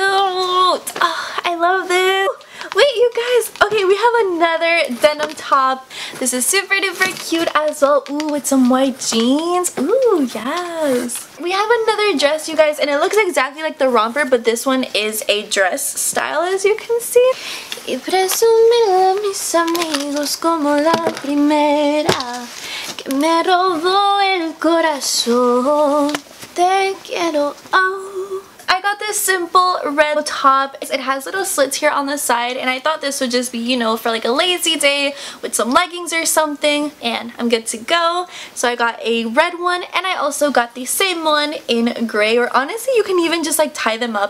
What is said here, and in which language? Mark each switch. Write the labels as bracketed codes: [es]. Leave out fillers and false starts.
[en] Oh, I love this. Wait, you guys. Okay, we have another denim top. This is super duper cute as well. Ooh, with some white jeans. Ooh, yes. We have another dress, you guys, and it looks exactly like the romper, but this one is a dress style, as you can see. [es] Y presumido a mis amigos como la primera que me robó el corazón. Te quiero, oh. [en] I got this simple red top. It has little slits here on the side, and I thought this would just be, you know, for like a lazy day with some leggings or something, and I'm good to go. So I got a red one, and I also got the same one in gray, or honestly, you can even just like tie them up.